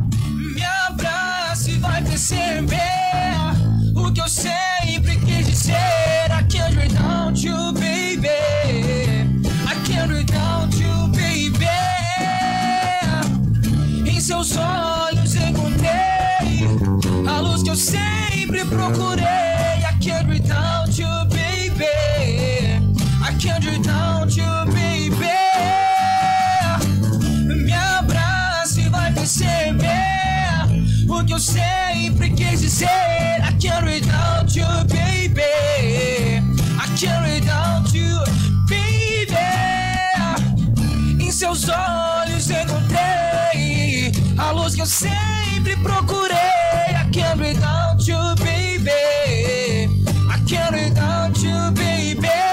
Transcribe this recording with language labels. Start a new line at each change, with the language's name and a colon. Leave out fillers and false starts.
Portuguese: Me abraça e vai perceber o que eu sempre quis dizer.
English: I can't without you, baby.
Portuguese: I can't without you, baby. Em seus olhos encontrei a luz que eu sempre procurei.
English: I can't without you, baby. I can't without you, baby.
Portuguese: Me abraça e vai perceber o que eu sempre quis dizer.
English: I can't without you, baby.
Portuguese: I can't without you, baby. Em seus olhos encontrei a luz que eu sempre procurei.
English: I can't without you, baby. I can't without you, baby.